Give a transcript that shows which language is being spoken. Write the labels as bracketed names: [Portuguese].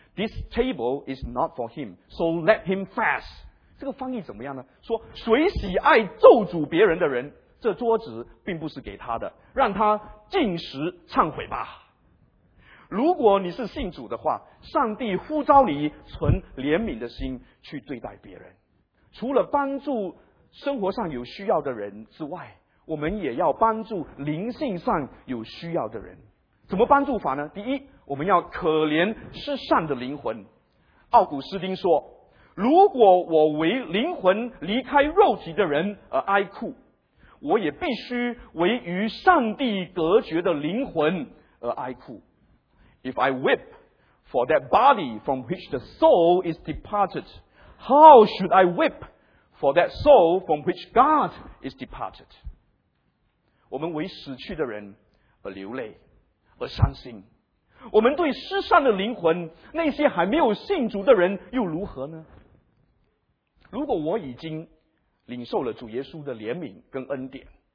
[English] This table is not for him, so let him fast。 [Chinese] 这个翻译怎么样呢？说谁喜爱咒诅别人的人，这桌子并不是给他的，让他进食忏悔吧。如果你是信主的话，上帝呼召你存怜悯的心去对待别人。除了帮助生活上有需要的人之外，我们也要帮助灵性上有需要的人。怎么帮助法呢？第一，我们要可怜失散的灵魂。奥古斯丁说，如果我为灵魂离开肉体的人而哀哭，我也必须为与上帝隔绝的灵魂而哀哭。 [English] If I weep for that body from which the soul is departed, how should I weep for that soul from which God is departed? [Chinese] 我们为死去的人而流泪而伤心，我们对失散的灵魂，那些还没有信主的人又如何呢？如果我已经领受了主耶稣的怜悯跟恩典，